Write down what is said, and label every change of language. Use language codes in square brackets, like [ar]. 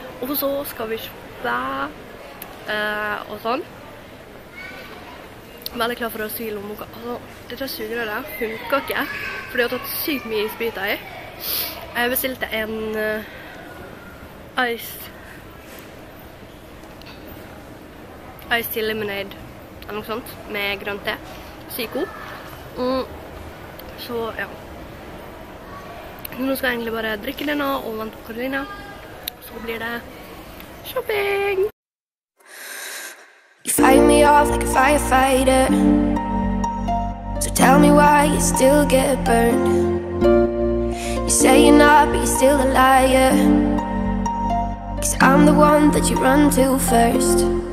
[no] Og så skal vi kjøpe, og sånn. Veldig klar for å svile om noe. Altså, dette sugerøret der funker ikke, for det har tatt sykt mye isbiter i. Jeg bestilte en ice [sv] iced tea lemonade eller något sånt med grönt te. Psyko. Så ja. Nu ska jag egentligen bara dricka denna och vänta på Karolina. Så blir det shopping. [en] You fight me off like a firefighter. So tell me why you still get burned. You say you're not, but you're still a liar. 'Cause I'm the one that you run to first.